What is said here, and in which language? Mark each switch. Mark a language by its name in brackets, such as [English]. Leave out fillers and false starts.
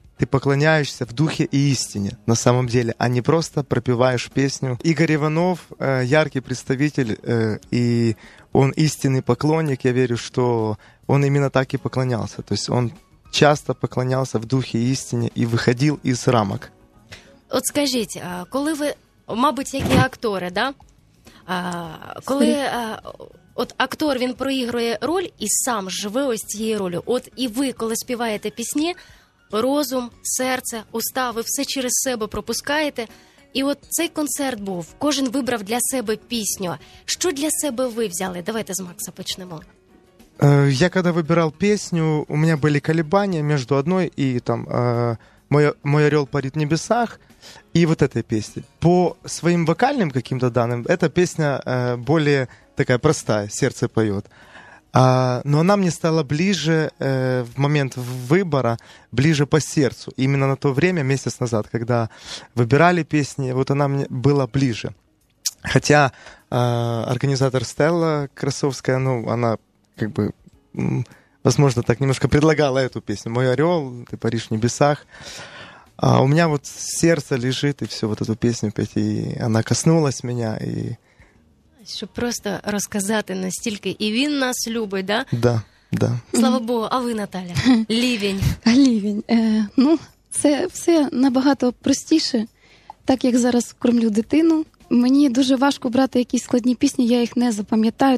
[Russian] Ты поклоняешься в духе и истине на самом деле, а не просто пропеваешь песню. Игорь Иванов яркий представитель, и он истинный поклонник. Я верю, что он именно так и поклонялся. То есть он часто поклонялся в духе и истине и выходил из рамок. [Ukrainian] Вот скажите, а коли вы, мабуть, які актори, да? Коли от актор, він проігрує роль і сам живе ось цією ролью. От і ви, коли співаєте пісні, розум, серце, уста, ви все через себе пропускаєте. І от цей концерт був, кожен вибрав для себе пісню. Що для себе ви взяли? Давайте з Макса почнемо. Я коли вибирав пісню, у мене були колебання між одною і там [Russian] «Мой орел парит в небесах» [Ukrainian] і от цієї пісні. По своїм вокальним каким-то даним, ця пісня більш така проста, серце поє. [Russian] Но она мне стала ближе в момент выбора, ближе по сердцу. Именно на то время, месяц назад, когда выбирали песни, вот она мне была ближе. Хотя организатор Стелла Красовская, ну, она как бы, возможно, так немножко предлагала эту песню. «Мой орел, ты паришь в небесах». А у меня вот сердце лежит, и всю вот эту песню петь, и она коснулась меня, и... [Ukrainian] Щоб просто розказати настільки. І він нас любить, да? Да, да. Слава Богу. А ви, Наталя? Лівень. Лівень. Ну, це все набагато простіше. Так, як зараз кормлю дитину. Мені дуже важко брати якісь складні пісні, я їх не запам'ятаю.